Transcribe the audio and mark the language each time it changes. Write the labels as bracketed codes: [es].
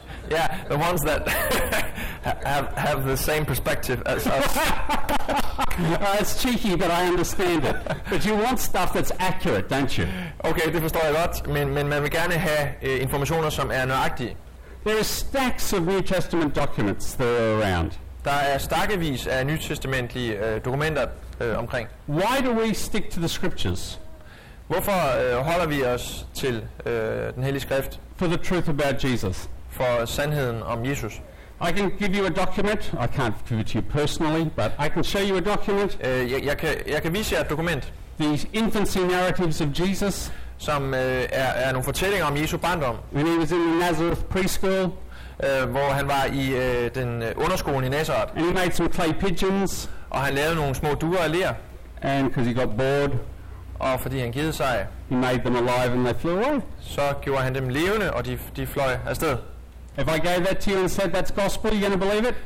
[en] Yeah, the ones that have the same perspective as us. It's cheeky, but I understand it. But you want stuff that's accurate, don't you? [da] Okay, det forstår jeg godt, men man vil gerne have informationer, som er nøjagtige. [en] There are stacks of New Testament documents that are around. [da] Der er stakkevis af nytestamentlige dokumenter omkring. [en] Why do we stick to the scriptures? [da] Hvorfor holder vi os til den hellige skrift? [en] For the truth about Jesus. [da] For sandheden om Jesus. [en] I can give you a document. I can't give it to you personally, but I can show you a document. [da] Jeg kan vise jer et dokument. [en] These infancy narratives of Jesus. [da] Som er nogle fortællinger om Jesu barndom. [en] When he was in Nazareth preschool. [da] Hvor han var i den underskolen i Nazareth. [en] And he made some clay pigeons. [da] Og han lavede nogle små duer af ler. [en] And because he got bored. [da] Og fordi han gik sig. [en] He made them alive and they flew away. [da] Så gjorde han dem levende og de fløj afsted. [en] If I gave that to you and said that's gospel, you gonna believe it?